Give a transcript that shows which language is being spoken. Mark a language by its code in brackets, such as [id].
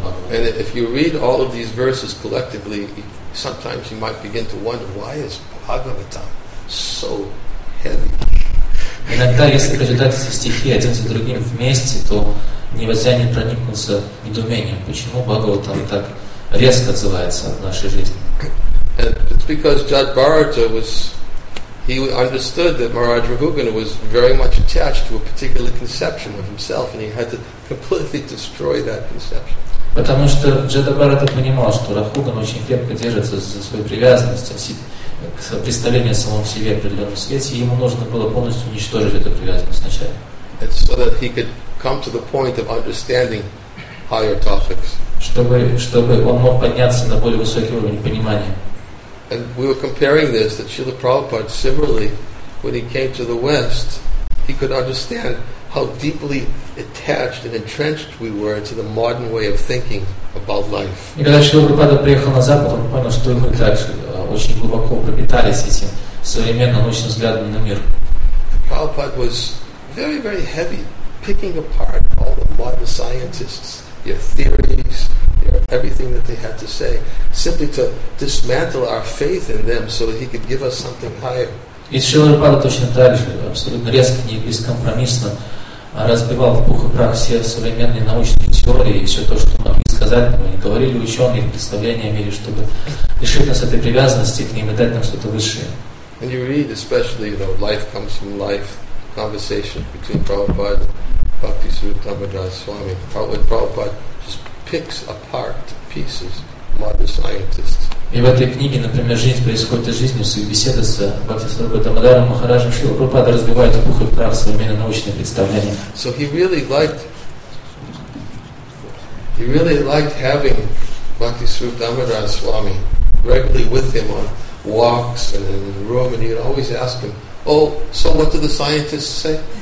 [en] And if you read all of these verses collectively, sometimes you might begin to wonder why is Bhagavatam so heavy. [ru] Иногда, если прочитать эти стихи один за другим вместе, то нельзя не проникнуться недоумением, почему Бхагаватам так резко отзывается в нашей жизни. [en] And it's because Judd Bharata he understood that Maharaj Rahugana was very much attached to a particular conception of himself, and he had to completely destroy that conception. [ru] Потому что Джада Бхарата понимал, что Рахуган очень крепко держится за свою привязанность к представлению о самом себе в определенном свете, и ему нужно было полностью уничтожить эту привязанность сначала. [en] So that he could come to the point of understanding higher topics. [ru] Чтобы он мог подняться на более высокий уровень понимания. [en] And we were comparing this, that Srila Prabhupada, similarly, when he came to the West, he could understand how deeply attached and entrenched we were to the modern way of thinking about life. [ru] И когда Шрила Прабхупада приехал на Запад, он понял, что мы так очень глубоко пропитались этим современным научным взглядом на мир. [en] Prabhupada was very, very heavy picking apart all the modern scientists, their theories, their everything that they had to say, simply to dismantle our faith in them so that he could give us something higher. [ru] И Шрила Прабхупада точно так же, абсолютно резко и бескомпромиссно разбивал в пух и прах все современные научные теории и все то, что могли сказать нам, и говорили ученые, их представления о мире, чтобы лишить нас этой привязанности к ним и дать нам что-то высшее. [en] And you read especially, you know, life comes from life, conversation between Prabhupada and Bhaktisiddhanta Damodara Swami. Prabhupada just picks apart pieces, modern scientists. [ru] И в этой книге, например, «Жизнь происходит из жизни», в своих беседах с Бхактисиддхантой Дамодаром Махараджем Шрила Прабхупада разбивает пух и прах современные научные представления. [en] So he really liked having Бхактисиддхантой Дамодара Свами regularly with him on walks and in the room, and he'd always ask him, "Oh, so what do the scientists say?"